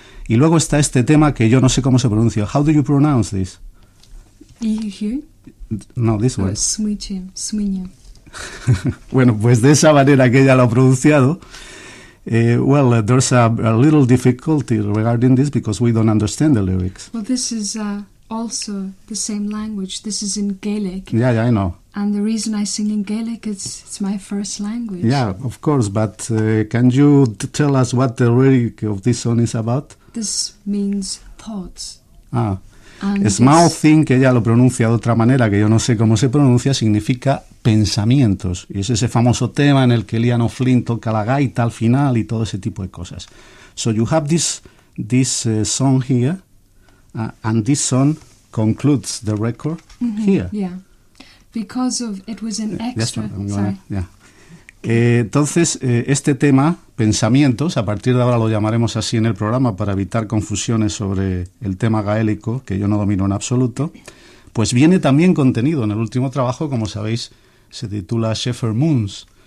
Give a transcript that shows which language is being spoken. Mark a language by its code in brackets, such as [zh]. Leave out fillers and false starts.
[es] Y luego está este tema que yo no sé cómo se pronuncia. [en] How do you pronounce this? Yuhyun? No, this one. Sumiyun. [es] Bueno, pues de esa manera que ella lo ha pronunciado. [en] Well, there's a little difficulty regarding this because we don't understand the lyrics. Well, this is also the same language. This is in Gaelic. Yeah, I know. And the reason I sing in Gaelic is it's my first language. Yeah, of course, but can you tell us what the lyric of this song is about? This means thoughts. [es] Ah, small thing, que ella lo pronuncia de otra manera, que yo no sé cómo se pronuncia, significa pensamientos. Y es ese famoso tema en el que Liam O'Flynn toca la gaita al final y todo ese tipo de cosas. [en] So you have this this song here, and this song concludes the record here. Yeah. Because of it was an extra. [es] Entonces, este tema, Pensamientos, a partir de ahora lo llamaremos así en el programa para evitar confusiones sobre el tema gaélico, que yo no domino en absoluto, pues viene también contenido en el último trabajo, como sabéis, se titula Shepherd Moons.